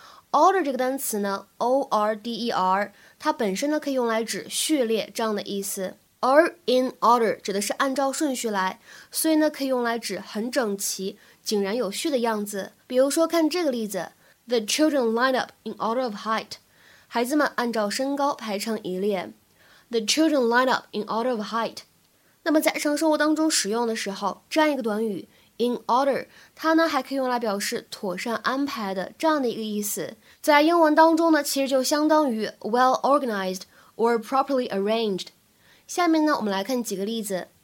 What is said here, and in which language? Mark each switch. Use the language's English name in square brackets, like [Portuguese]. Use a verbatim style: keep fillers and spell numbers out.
[Chinese] order 这个单词呢 ，O R D E R， 它本身呢可以用来指序列这样的意思，而 in order 指的是按照顺序来，所以呢可以用来指很整齐、井然有序的样子。比如说，看这个例子。 [English] The children line up in order of height. [Chinese] 孩子们按照身高排成一列。 [English] The children line up in order of height. [Chinese] 那么在日常生活当中使用的时候，这样一个短语 in order， 它呢还可以用来表示妥善安排的这样的一个意思。在英文当中呢，其实就相当于 [English] well organized or properly arranged。 [Chinese] 下面呢，我们来看几个例子。